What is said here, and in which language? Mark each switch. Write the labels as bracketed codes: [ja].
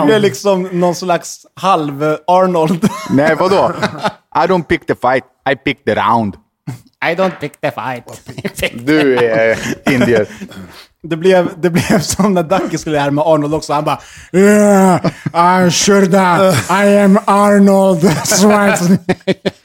[sv] Det blir liksom någon slags halv Arnold. Nej, vadå? [en] I don't pick the fight, I pick the round. I don't pick the fight. [sv] Du är indier. Det blev som när Ducky skulle här med Arnold också. Han bara, [en] yeah, I'm sure that I am Arnold Schwarzenegger.